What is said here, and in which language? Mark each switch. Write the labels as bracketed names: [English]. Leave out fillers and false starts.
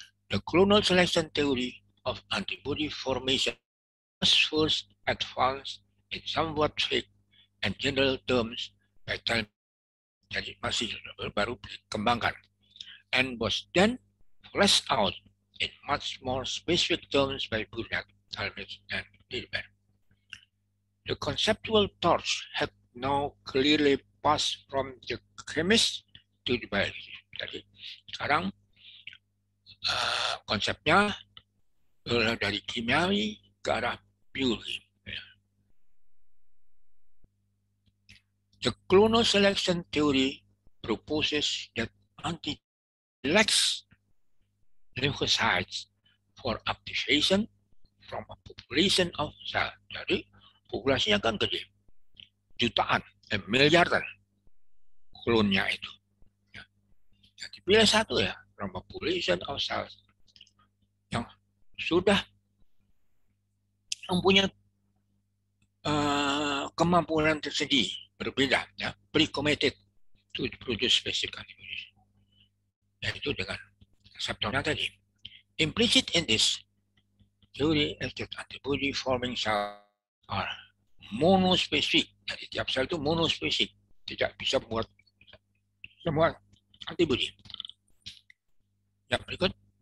[English] The Clonal Selection Theory of Antibody Formation was first advanced in somewhat vague and general terms by Talmadge. [Indonesian] Jadi masih baru dikembangkan. [English] And was then fleshed out in much more specific terms by Burnett, Talmadge, and Lindbergh. The conceptual torch had now clearly passed from the chemist to the biologist. [Indonesian] Jadi sekarang konsepnya dari kimiawi ke arah biologi. [English] The clonal selection theory proposes that antigen lacks lymphocytes for activation from a population of cell. [Indonesian] Jadi populasinya kan gede, jutaan, miliaran klonnya itu. Jadi pilih satu ya, [English] from a population of cells [Indonesian] yang sudah mempunyai kemampuan tersendiri. Berbeda, ya, [English] pre-committed to produce specific antibodies, [Indonesian] yaitu dengan septornya tadi. [English] Implicit in this theory is that antibody forming cells are monospecific. [Indonesian] Jadi tiap sel itu monospecific, tidak bisa membuat semua antibody. Yang berikut.